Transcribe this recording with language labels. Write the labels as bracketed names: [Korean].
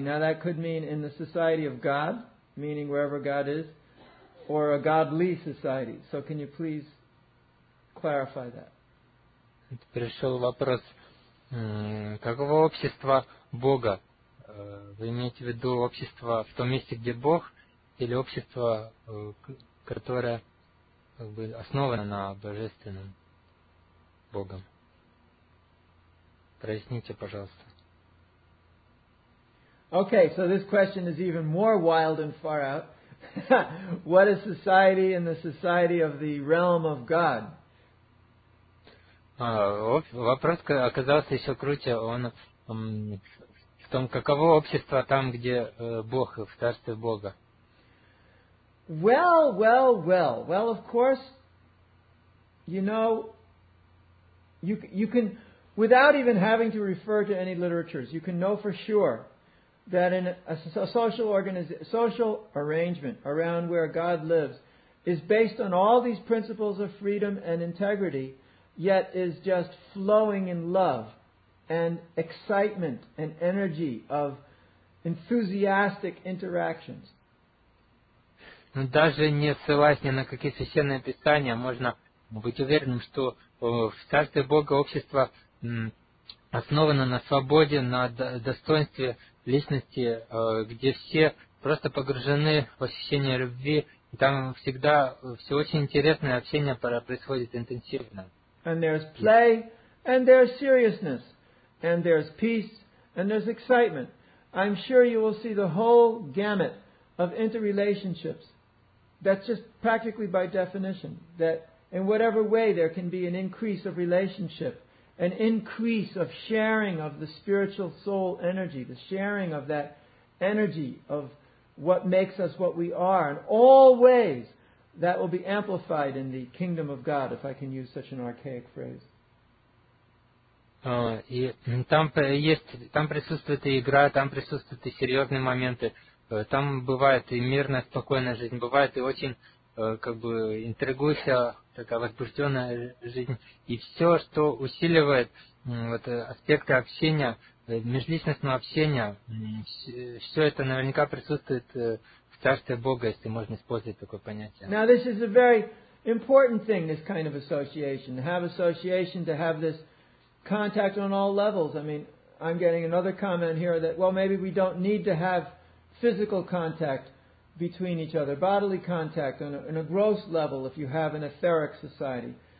[English] Now that could mean in the society of God, meaning wherever God is, or a godly society. So can you please clarify that? [Russian] Пришел вопрос, каково общество Бога? Вы имеете в виду общество в том месте, где Бог, или общество, которое как бы основано на божественном Богом? Проясните, пожалуйста. [English] Okay, so this question is even more wild and far out. What is society in the society of the realm of God? [Russian] Вопрос оказался еще круче. Он в том, каково общество там, где Бог, в царстве Бога? [English] Well, well, of course, you know, you can, without even having to refer to any literatures, you can know for sure that in a social arrangement around where God lives is based on all these principles of freedom and integrity, yet is just flowing in love and excitement and energy of enthusiastic interactions. [Russian] Но даже не ссылаясь ни на какие священные писания, можно быть уверенным, что в царстве Бога общество основано на свободе, на достоинстве личности, где все просто погружены в ощущение любви. И там всегда все очень интересное, общение происходит интенсивно. [English] And there's play, and there's seriousness, and there's peace, and there's excitement. I'm sure you will see the whole gamut of interrelationships. That's just practically by definition, that in whatever way there can be an increase of relationship, an increase of sharing of the spiritual soul energy, the sharing of that energy of what makes us what we are, in all ways that will be amplified in the kingdom of God, if I can use such an archaic phrase. [Russian] И там присутствует и игра, там присутствуют и серьезные моменты. там бывает и мирная, спокойная жизнь, бывает и очень, как бы, интригующая, такая возбужденная жизнь. И все, что усиливает вот, аспекты общения, межличностного общения, все это наверняка присутствует в Царстве Бога, если можно использовать такое понятие. [English] Now this is a very important thing, this kind of association. To have association, to have this contact on all levels. I mean, I'm getting another comment here that, well, maybe we don't need to have physical contact between each other, bodily contact on a gross level if you have an etheric society.